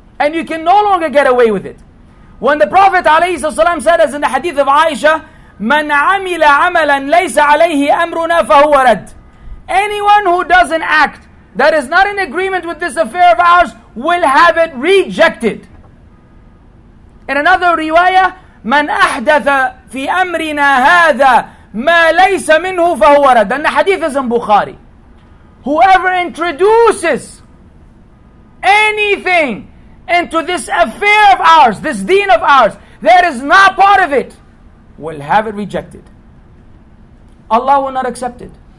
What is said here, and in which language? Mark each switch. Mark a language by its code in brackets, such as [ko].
[en] And you can no longer get away with it. When the Prophet ﷺ said, as in the hadith of Aisha, [ar] مَنْ عَمِلَ عَمَلًا لَيْسَ عَلَيْهِ أَمْرُنَا فَهُوَ رَدْ. [en] Anyone who does an act that is not in agreement with this affair of ours will have it rejected. In another riwayah, [ar] مَنْ أَحْدَثَ فِي أَمْرِنَا هَذَا مَا لَيْسَ مِنْهُ فَهُوَ رَدْ. [en] And the hadith is in Bukhari. Whoever introduces anything into this affair of ours, this deen of ours, that is not part of it, will have it rejected. Allah will not accept it.